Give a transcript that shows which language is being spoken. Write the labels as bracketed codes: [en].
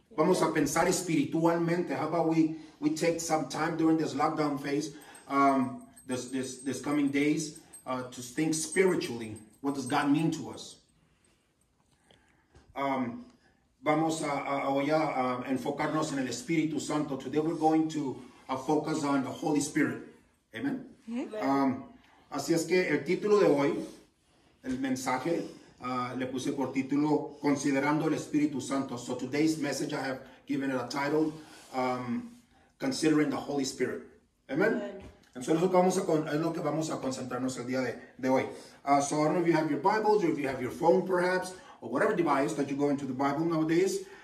[es] Vamos a pensar espiritualmente. [en] How about we take some time during this lockdown phase, this coming days, to think spiritually. What does God mean to us? [es] Vamos a enfocarnos en el Espíritu Santo. [en] Today we're going to focus on the Holy Spirit. Amen. [es] Así es que el título de hoy, el mensaje, le puse por título Considerando el Espíritu Santo. [en] So today's message I have given it a title, Considering the Holy Spirit. Amen. [es] Entonces es lo que vamos a concentrarnos el día de hoy. [en] So I don't know if you have your Bibles or if you have your phone perhaps, or whatever device that you go into the Bible nowadays.